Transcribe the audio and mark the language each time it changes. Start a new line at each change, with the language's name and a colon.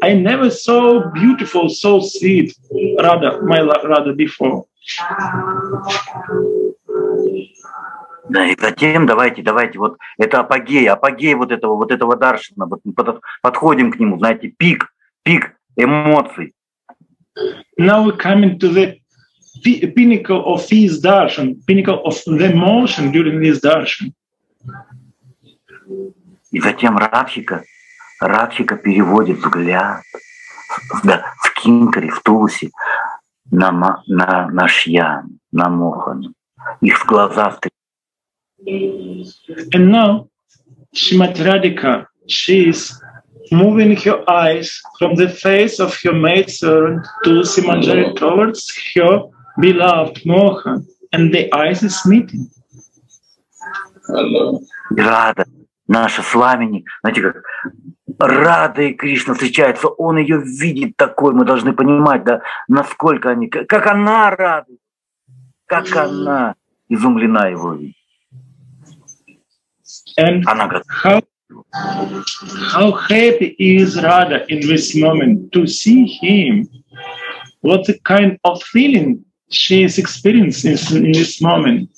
English: I never saw beautiful, so sweet Radha, my Radha before.
Russian: Да, и затем давайте, вот это апогей вот этого даршина, вот подходим к нему, знаете, пик эмоций.
English: Now we're coming to the pinnacle of his darshan, pinnacle of the emotion during his darshan.
Russian: И затем Радхика переводит взгляд, да, в Кинкари, в Тулси, на Шьян, на Мохану, их глаза встречаются.
English: And now Srimati Radhika, she is moving her eyes from the face of her maidservant Tulsimanjari towards her beloved Mohan, and the eyes is meeting.
Russian: Radha, наша Свамини, знаете как, Радха и Кришна встречаются, он ее видит такой, мы должны понимать, да, насколько они, как она рада, как она изумлена его видит.
English: And how happy is Radha in this moment to see him? What the kind of feeling she is experiencing in this moment?